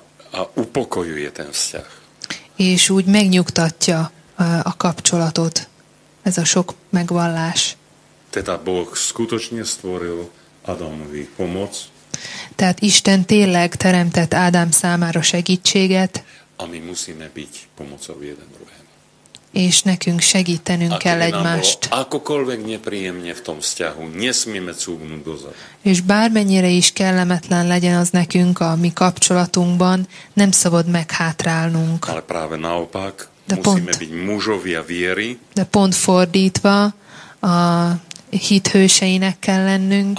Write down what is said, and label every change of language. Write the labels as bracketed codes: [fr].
[sk] A upokojuje ten vzťah. [hu] És úgy megnyugtatja a kapcsolatot ez a sok megvallás. [sk] Teda Boh skutočne stvoril Adamovi pomoc. [hu] Tehát Isten tényleg teremtett Ádám számára segítséget. [sk] Ami musíme byť pomocou jeden druhému. [hu] És nekünk segítenünk kell egymást. [sk] Akokoľvek nepríjemne v tom vzťahu, nesmieme cúvnúť dozadu. [hu] És bármennyire is kellemetlen legyen az nekünk a mi kapcsolatunkban, nem szabad meghátrálnunk. [sk] Ale práve naopak, de musíme byť mužovia viery. [hu] De pont fordítva, a hithőseinek kell lennünk.